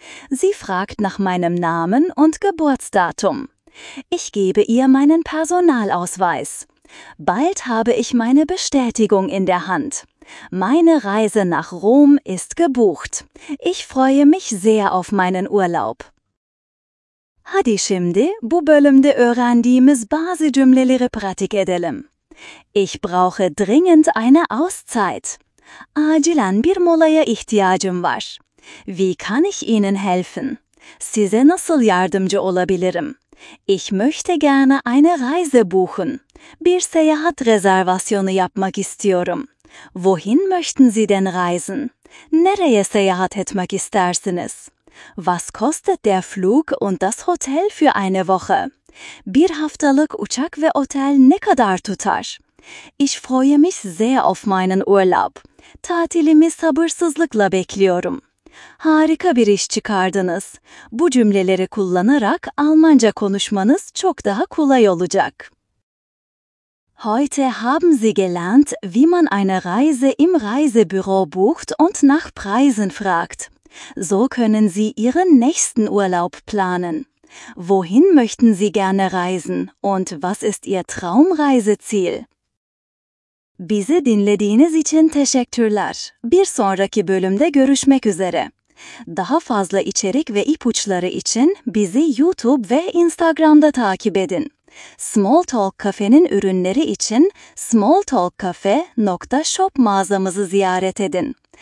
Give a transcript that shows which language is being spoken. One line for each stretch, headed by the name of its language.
German: Sie fragt nach meinem Namen und Geburtsdatum. Ich gebe ihr meinen Personalausweis. Bald habe ich meine Bestätigung in der Hand. Meine Reise nach Rom ist gebucht. Ich freue mich sehr auf meinen Urlaub.
Turkish: Hadi şimdi bu bölümde öğrendiğimiz bazı cümleleri pratik edelim.
German: Ich brauche dringend eine Auszeit.
Turkish: Acilen bir molaya ihtiyacım var.
German: Wie kann ich Ihnen helfen?
Turkish: Size nasıl yardımcı olabilirim?
German: Ich möchte gerne eine Reise buchen.
Turkish: Bir seyahat rezervasyonu yapmak istiyorum.
German: Wohin möchten Sie denn reisen?
Turkish: Nereye seyahat etmek istersiniz?
German: Was kostet der Flug und das Hotel für eine Woche?
Turkish: Bir haftalık uçak ve otel ne kadar tutar?
German: Ich freue mich sehr auf meinen Urlaub.
Turkish: Tatilimi sabırsızlıkla bekliyorum. Harika bir iş çıkardınız. Bu cümleleri kullanarak Almanca konuşmanız çok daha kolay olacak.
German: Heute haben Sie gelernt, wie man eine Reise im Reisebüro bucht und nach Preisen fragt. So können Sie Ihren nächsten Urlaub planen. Wohin möchten Sie gerne reisen und was ist Ihr Traumreiseziel?
Turkish: Bizi dinlediğiniz için teşekkürler. Bir sonraki bölümde görüşmek üzere. Daha fazla içerik ve ipuçları için bizi YouTube ve Instagram'da takip edin. Small Talk Cafe'nin ürünleri için smalltalkcafe.shop mağazamızı ziyaret edin.